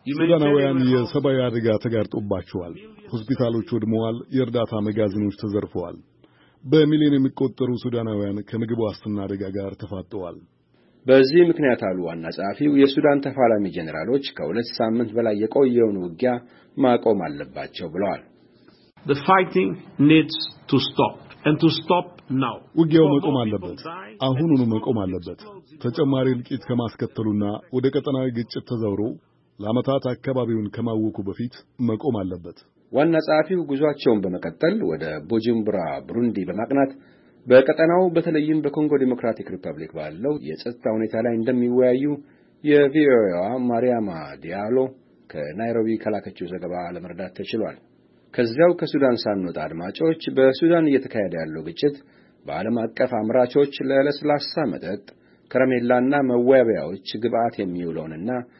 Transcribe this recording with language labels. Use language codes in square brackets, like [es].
[am] ሱዳናውያን የሰብአዊ አደጋ ተጋርጦባቸዋል። ሆስፒታሎች ወድመዋል። የእርዳታ መጋዘኖች ተዘርፈዋል። በሚሊዮን የሚቆጠሩ ሱዳናውያን ከምግብ ዋስትና አደጋ ጋር ተፋጠዋል። በዚህ ምክንያት አሉ ዋና ጸሐፊው፣ የሱዳን ተፋላሚ ጄኔራሎች ከሁለት ሳምንት በላይ የቆየውን ውጊያ ማቆም አለባቸው ብለዋል። [en] The fighting needs to stop and to stop now. [am] ውጊያው መቆም አለበት። አሁኑኑ መቆም አለበት። ተጨማሪ እልቂት ከማስከተሉና ወደ ቀጠናዊ ግጭት ተዛውሮ ለአመታት አካባቢውን ከማወቁ በፊት መቆም አለበት። ዋና ጸሐፊው ጉዟቸውን በመቀጠል ወደ ቡጁምብራ ብሩንዲ በማቅናት በቀጠናው በተለይም በኮንጎ ዲሞክራቲክ ሪፐብሊክ ባለው የጸጥታ ሁኔታ ላይ እንደሚወያዩ የቪኦኤዋ ማርያማ ዲያሎ ከናይሮቢ ከላከችው ዘገባ ለመረዳት ተችሏል። ከዚያው ከሱዳን ሳንወጣ አድማጮች፣ በሱዳን እየተካሄደ ያለው ግጭት በዓለም አቀፍ አምራቾች ለለስላሳ መጠጥ፣ ከረሜላና መዋቢያዎች ግብዓት የሚውለውንና